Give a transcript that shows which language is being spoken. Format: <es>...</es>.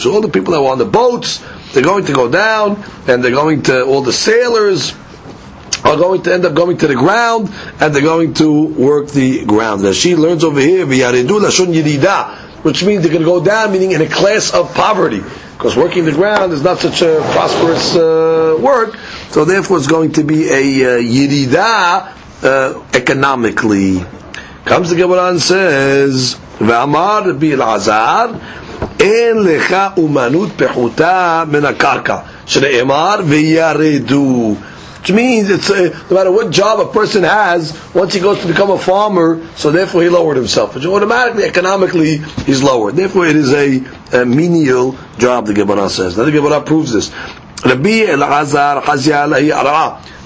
<en>So all the people that were on the boats, they're going to go down, and they're going to, all the sailors are going to end up going to the ground, and they're going to work the ground. As she learns over here, v'yaredu lashon yirida, which means they're going to go down, meaning in a class of poverty, because working the ground is not such a prosperous work, so therefore it's going to be a yirida economically. Comes the Gemara and says,</en> <he>v'amar bil azar, אין לך אומנות פחותה מן הקרקע שנאמר וירדו.</he> <en>Which means, it's no matter what job a person has, once he goes to become a farmer, so therefore he lowered himself. Which automatically, economically, he's lowered. Therefore it is a menial job, the Gemara says. Now the Gemara proves this. Rabbi Elazar Hazia Alayhi Ara'a.</en>